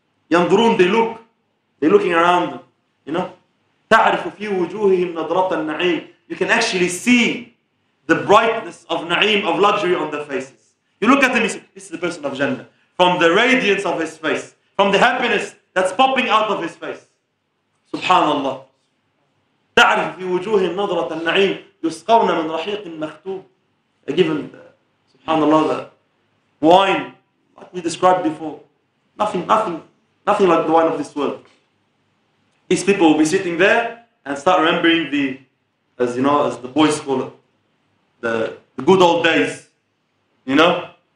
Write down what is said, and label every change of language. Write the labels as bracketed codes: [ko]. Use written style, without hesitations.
[ar] يَنْظُرُونَ. [en] They look. They're looking around them. You know? [ar] تَعْرِفُ فِي وُجُوهِهِمْ نَضْرَةَ النَّعِيمِ. [en] You can actually see the brightness of na'im, of luxury on their faces. You look at them, you say, this is the person of Jannah. From the radiance of his face, from the happiness that's popping out of his face. Subhanallah. [ar] تعرف في وجوههم نظرة النعيم يسقون من رحيق مختوب. [en] A given, subhanallah, the wine, like we described before. Nothing like the wine of this world. These people will be sitting there and start remembering the, as you know, as the boys call it, the good old days, you know?